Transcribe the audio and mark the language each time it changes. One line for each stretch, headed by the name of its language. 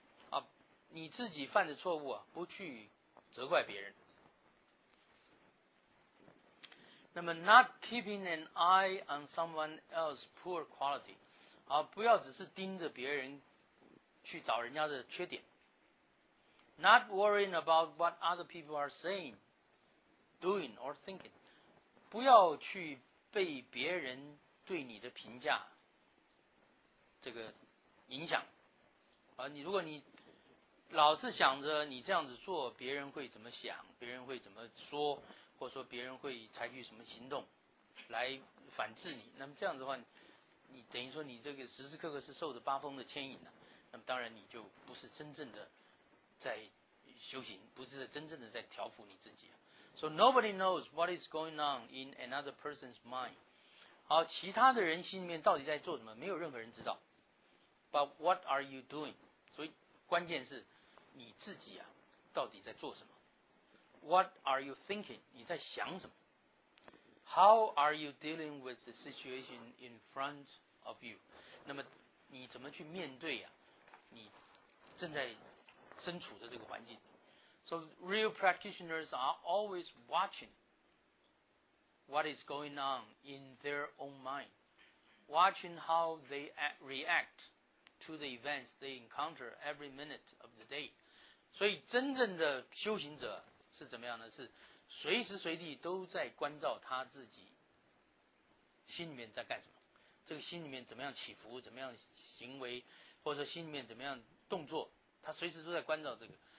Chinese: 啊，你自己犯的错误啊，不去责怪别人。
English: 那么 ，not keeping an eye on someone else's poor quality.
Chinese: 啊，不要只是盯着别人去找人家的缺点。
English: Not worrying about what other people are saying, doing, or thinking.
Chinese: 不要去被别人对你的评价这个影响啊，你如果你老是想着你这样子做别人会怎么想，别人会怎么说，或者说别人会采取什么行动来反制你，那么这样子的话，你等于说你这个时时刻刻是受着八风的牵引的，那么当然你就不是真正的在修行，不是真正的在调伏你自己。
English: So nobody knows what is going on in another person's mind.
Chinese: 好，其他的人心里面到底在做什么，没有任何人知道。
English: But what are you doing?
Chinese: 所以关键是你自己啊到底在做什么。
English: What are you thinking?
Chinese: 你在想什么。
English: How are you dealing with the situation in front of you?
Chinese: 那么你怎么去面对啊你正在身处的这个环境。
English: So real practitioners are always watching. What is going on in their own mind? Watching how they react to the events they encounter every minute of the day.
Chinese: 所以真正的修行者是怎么样呢？是随时随地都在关照他自己心里面在干什么，这个心里面怎么样起伏，怎么样行为，或者说心里面怎么样动作，他随时都在关照这个。